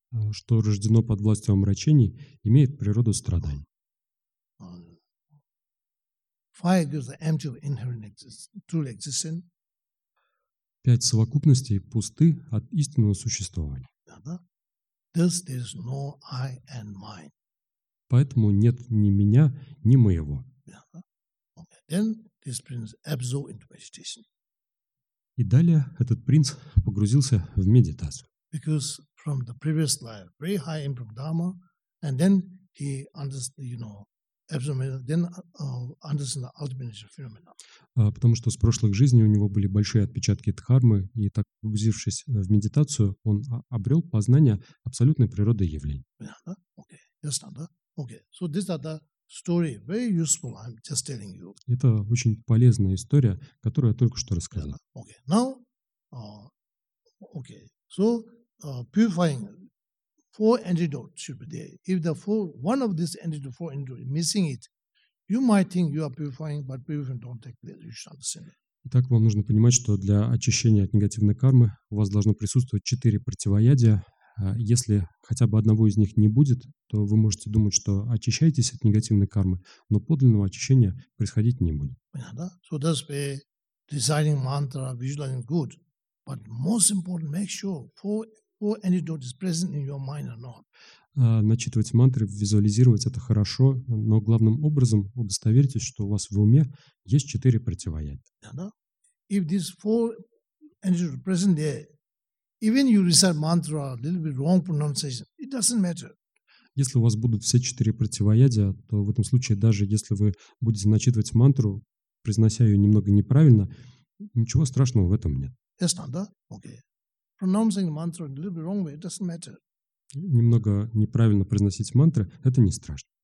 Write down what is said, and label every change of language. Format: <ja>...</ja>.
<ru>Что рождено под властью омрачений, имеет природу страданий.</ru> <en>Five is the empty of inherent existence, true existence.</en> <ru>Пять совокупностей пусты от истинного существования.</ru> <en>Thus there is no I and mine.</en> <ru>Поэтому нет ни меня, ни моего.</ru> <en>Okay. Then this prince absorbed into meditation.</en> <ru>И далее этот принц погрузился в медитацию.</ru> <en>Because from the previous life, very high input dharma, and then he understood, you know, then understand the ultimate nature phenomena.</en> <ru>Потому что с прошлых жизней у него были большие отпечатки дхармы, и так, погрузившись в медитацию, он обрел познание абсолютной природы явлений.</ru> <en>Yeah, okay. Yes, okay. So these are the story, very useful, I'm just telling you.</en> <ru>Это очень полезная история, которую я только что рассказал.</ru> <en>Okay, now, okay, so purifying four antidotes should be there. If the four, one of these antidotes, four antidotes, missing it, you might think you are purifying, but purifying don't take place. You should understand it.</en> <ru>Итак, вам нужно понимать, что для очищения от негативной кармы у вас должно присутствовать четыре противоядия. Если хотя бы одного из них не будет, то вы можете думать, что очищаетесь от негативной кармы, но подлинного очищения происходить не будет. Понятно?</ru> <en>So that's why designing mantra, visualizing good, but most important, make sure four antidotes present in your mind or not.</en> <ru>Начитывать мантры, визуализировать это хорошо, но главным образом удостоверьтесь, что у вас в уме есть четыре противоядия. Да.</ru> <en>If these four antidotes present there, even you recite mantra a little bit wrong pronunciation, it doesn't matter.</en> <ru>Если у вас будут все четыре противоядия, то в этом случае даже если вы будете начитывать мантру, произнося ее немного неправильно, ничего страшного в этом нет.</ru> <en>Yes, not, да? Okay. Pronouncing mantra a little bit wrong way, it doesn't matter.</en> <ru>Немного неправильно произносить мантры, это не страшно.</ru>